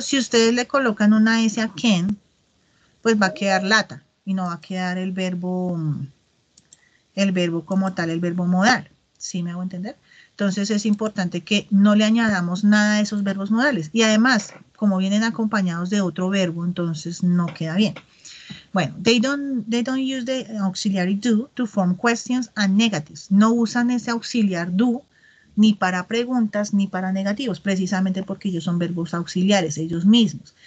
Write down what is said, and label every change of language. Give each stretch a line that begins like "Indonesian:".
Spanish: Si ustedes le colocan una S a can, pues va a quedar lata y no va a quedar el verbo como tal, el verbo modal. ¿Sí me hago entender? Entonces es importante que no le añadamos nada a esos verbos modales. Y además, como vienen acompañados de otro verbo, entonces no queda bien. Bueno,
English: they don't use the auxiliary do to form questions and negatives.
Spanish: No usan ese auxiliar do ni para preguntas ni para negativos, precisamente porque ellos son verbos auxiliares, ellos mismos.